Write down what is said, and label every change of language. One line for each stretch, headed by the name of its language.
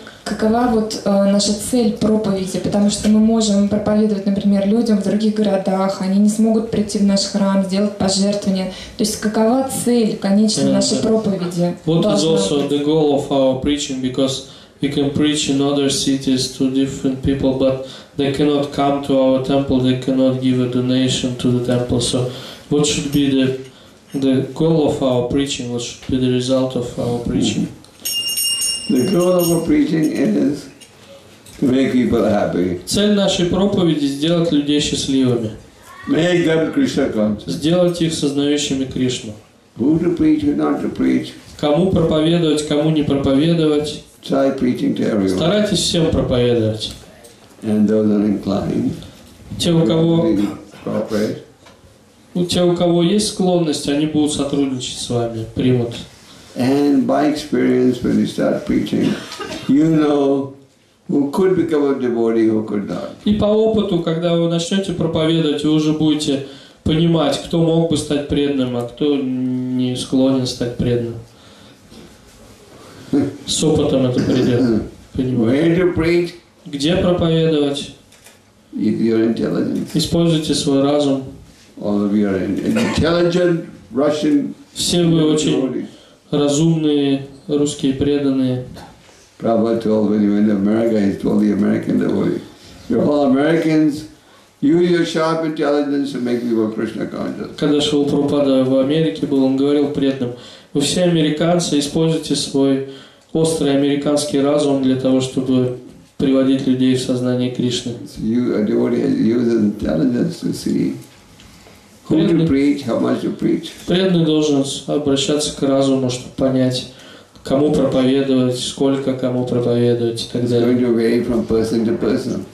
Russian: Какова вот наша цель проповеди? Потому что мы можем проповедовать, например, людям в других городах, они не смогут прийти в наш храм, сделать пожертвования. То есть какова цель, конечно, нашей проповеди?
English: What is also the goal of our preaching? Because we can preach in other cities to different people, but they cannot come to our temple, they cannot give a donation to the temple. So what should be the The goal of our preaching, what should be the result of our preaching? The goal of our preaching is to make people happy.
Russian: Цель нашей проповеди – сделать людей счастливыми.
English: Make them Krishna conscious.
Russian: Сделать их сознающими Кришну.
English: Who to preach, who not to preach.
Russian: Кому проповедовать, кому не проповедовать.
English: Try preaching to everyone.
Russian: Старайтесь всем проповедовать.
English: And those are inclined.
Russian: У тех, у кого есть склонность, они будут сотрудничать с вами, примут.
English: And by experience, when you start preaching, you know who could become a devotee, who could not.
Russian: И по опыту, когда вы начнете проповедовать, вы уже будете понимать, кто мог бы стать преданным, а кто не склонен стать преданным. С опытом это придет.
English: Where to preach?
Russian: Где проповедовать?
English: Your intelligence.
Russian: Используйте свой разум.
English: All of you are intelligent Russian.
Russian: Все вы очень разумные русские преданные.
English: Prabhupada told when he went to America, he told the American devotees, "You're all Americans. Use your sharp intelligence to make people Krishna conscious."
Russian: Когда шел Прабхупада в Америке, был он говорил преданным: "Вы все американцы, используйте свой острый американский разум для того, чтобы приводить людей в сознание Кришны."
English: You a devotee uses intelligence to see.
Russian: Преданный должен обращаться к разуму, чтобы понять, кому проповедовать, сколько кому проповедовать и так далее.